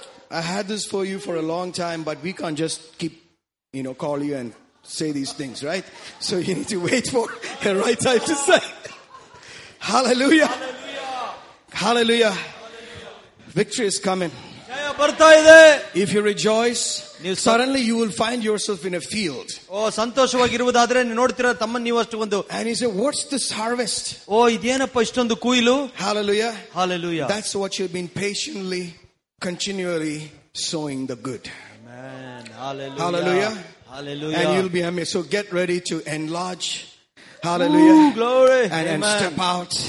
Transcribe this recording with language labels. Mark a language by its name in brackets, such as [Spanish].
[English] I had this for you for a long time, but we can't just keep, you know, call you and say these things, right? So you need to wait for the right time to say. Hallelujah. Hallelujah. Hallelujah. Hallelujah. Victory is coming. [Kannada] ಜಯ ಬರ್ತಾ ಇದೆ. [English] If you rejoice, suddenly you will find yourself in a field. [Kannada] ಓ, ಸಂತೋಷವಾಗಿರುವುದಾದ್ರೆ ನೋಡ್ತೀರ ತಮ್ಮ ನೀವಷ್ಟು ಒಂದು. [English] And he said, what's this harvest? [Kannada] ಓ, ಇದೇನಪ್ಪ ಇಷ್ಟೊಂದು ಕುಯಿಲು. [English] Hallelujah. Hallelujah. That's what you've been patiently, continually sowing the good. Amen. Hallelujah. Hallelujah. Hallelujah. And you'll be amazed. So get ready to enlarge. Hallelujah. Ooh, glory. And amen. Step out.